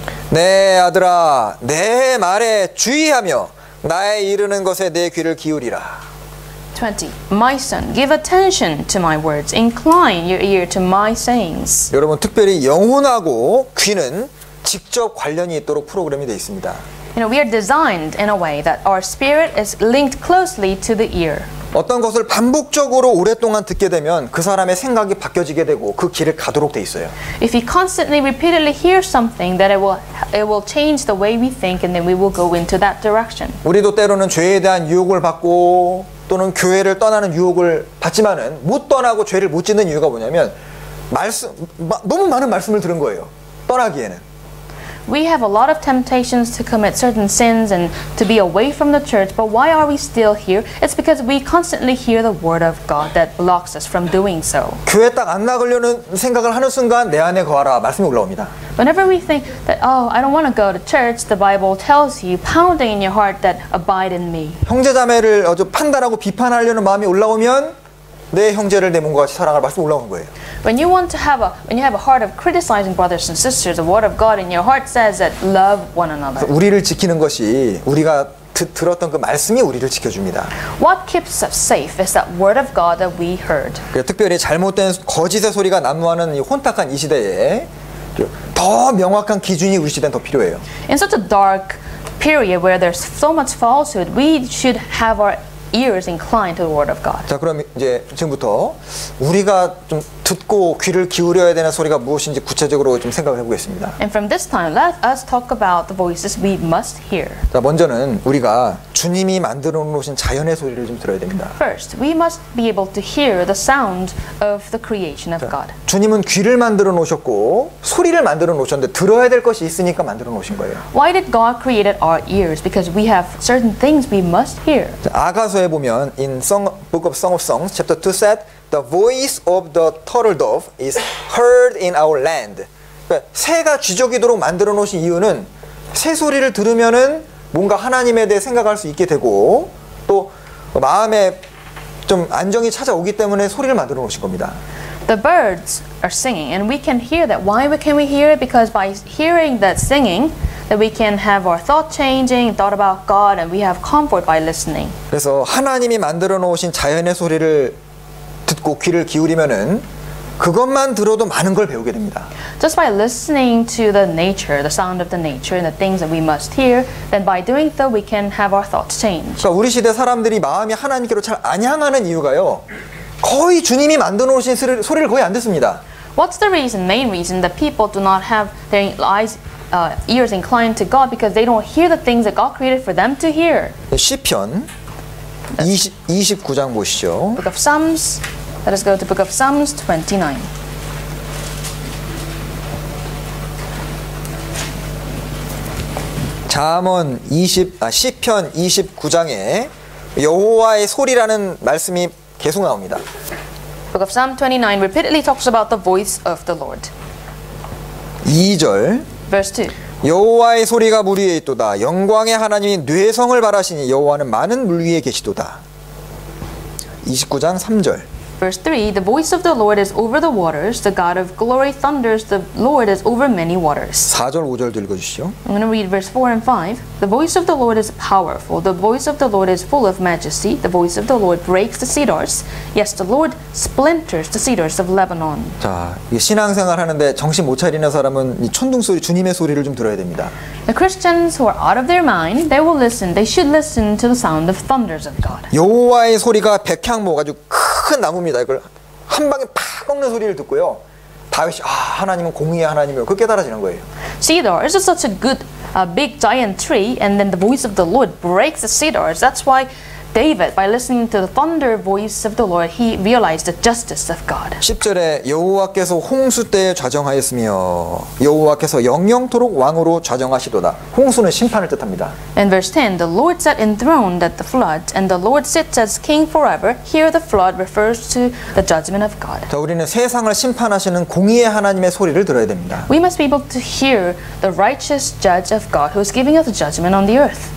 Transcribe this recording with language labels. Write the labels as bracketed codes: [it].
[ko] 내 아들아, 내 말에 주의하며 나의 이르는 것에 내 귀를 기울이라. [en] 20. My son, give attention to my words. Incline your ear to my sayings. [ko] 여러분, 특별히 영혼하고 귀는 직접 관련이 있도록 프로그램이 되어 있습니다. [en] You know, we are designed in a way that our spirit is linked closely to the ear. [ko] 어떤 것을 반복적으로 오랫동안 듣게 되면 그 사람의 생각이 바뀌어지게 되고 그 길을 가도록 돼 있어요. [en] If we constantly repeatedly hear something, that it will change the way we think and then we will go into that direction. [ko] 우리도 때로는 죄에 대한 유혹을 받고 또는 교회를 떠나는 유혹을 받지만은 못 떠나고 죄를 못 짓는 이유가 뭐냐면 말씀 너무 많은 말씀을 들은 거예요. 떠나기에는 [en] We have a lot of temptations to commit certain sins and to be away from the church, but why are we still here? It's because we constantly hear the word of God that blocks us from doing so. [ko] 교회 딱 안 나가려는 생각을 하는 순간 내 안에 거하라 말씀이 올라옵니다. [en] Whenever we think that, oh, I don't want to go to church, the Bible tells you, pounding in your heart, that abide in me. [ko] 형제자매를 아주 판단하고 비판하려는 마음이 올라오면 내 형제를 내 몸과 같이 사랑할 말씀 올라오는 거예요. [en] When you have a heart of criticizing brothers and sisters, the word of God in your heart says that love one another. [ko] 우리를 지키는 것이 우리가 들었던 그 말씀이 우리를 지켜줍니다. [en] What keeps us safe is that word of God that we heard. [ko] 특별히 잘못된 거짓의 소리가 난무하는 이 혼탁한 이 시대에 더 명확한 기준이 우리 시대에 더 필요해요. [en] In such a dark period where there's so much falsehood, we should have our ears inclined to the word of God. [ko] 자, 그럼 이제 지금부터 우리가 좀 듣고 귀를 기울여야 되는 소리가 무엇인지 구체적으로 좀 생각을 해보겠습니다. [en] And from this time, let us talk about the voices we must hear. [ko] 자, 먼저는 우리가 주님이 만들어 놓으신 자연의 소리를 좀 들어야 됩니다. [en] First, we must be able to hear the sound of the creation of God. [ko] 주님은 귀를 만들어 놓으셨고 소리를 만들어 놓으셨는데 들어야 될 것이 있으니까 만들어 놓으신 거예요. [en] Why did God create our ears? Because we have certain things we must hear. [ko] 아가서에 보면 [en] in Song, Book of Song of Songs, Chapter 2 said, The voice of the turtle dove is heard in our land. [ko] 그러니까 새가 쥐적이도록 만들어 놓으신 이유는 새 소리를 들으면은 뭔가 하나님에 대해 생각할 수 있게 되고 또 마음에 좀 안정이 찾아오기 때문에 소리를 만들어 놓으신 겁니다. [en] The birds are singing and we can hear that. Why can we hear it? Because by hearing that singing that we can have our thought changing, thought about God and we have comfort by listening. [ko] 그래서 하나님이 만들어 놓으신 자연의 소리를 듣고 귀를 기울이면은 그것만 들어도 많은 걸 배우게 됩니다. [en] Just by listening to the nature, the sound of the nature and the things that we must hear, then by doing so we can have our thoughts change. [ko] 그러니까 우리 시대 사람들이 마음이 하나님께로 잘 안 향하는 이유가요. 거의 주님이 만들어 놓으신 소리를 거의 안 듣습니다. [en] What's the reason, main reason that people do not have their eyes ears inclined to God because they don't hear the things that God created for them to hear? [ko] 시편 29장 보시죠. [en] Book of Psalms. Let us go to Book of Psalms 29. [ko] 잠언 시편 29장에 여호와의 소리라는 말씀이 계속 나옵니다. [en] Book of Psalm 29 repeatedly talks about the voice of the Lord. [ko] 2절. [en] Verse 2. [ko] 여호와의 소리가 물 위에 있도다. 영광의 하나님이 뇌성을 바라시니 여호와는 많은 물 위에 계시도다. 29장 3절. [en] Verse 3. The voice of the Lord is over the waters. The God of glory thunders. The Lord is over many waters. [ko] 4절 5절 읽어주시죠. [en] I'm going to read verse 4 and 5. The voice of the Lord is powerful. The voice of the Lord is full of majesty. The voice of the Lord breaks the cedars. Yes, the Lord splinters the cedars of Lebanon. [ko] 자, 신앙생활 하는데 정신 못 차리는 사람은 이 천둥 소리, 주님의 소리를 좀 들어야 됩니다. [en] The Christians who are out of their mind, they will listen. They should listen to the sound of thunders of God. [ko] 여호와의 소리가 백향목 아주 큰 나무입니다. 이걸 한 방에 팍 꺾는 소리를 듣고요. 다윗이 아 하나님은 공의의 하나님이요. 그 깨달아지는 거예요. [en] Cedar is such a good, a big giant tree, and then the voice of the Lord breaks the cedars. That's why David, by listening to the thunder voice of the Lord, he realized the justice of God. [ko] 10절에 여호와께서 홍수 때에 좌정하였으며 여호와께서 영영토록 왕으로 좌정하시도다. 홍수는 심판을 뜻합니다. [en] In verse 10, the Lord sat enthroned at the flood, and the Lord sits as king forever. Here, the flood refers to the judgment of God. [ko] 자, 우리는 세상을 심판하시는 공의의 하나님의 소리를 들어야 됩니다. [en] We must be able to hear the righteous judge of God who is giving us judgment on the earth.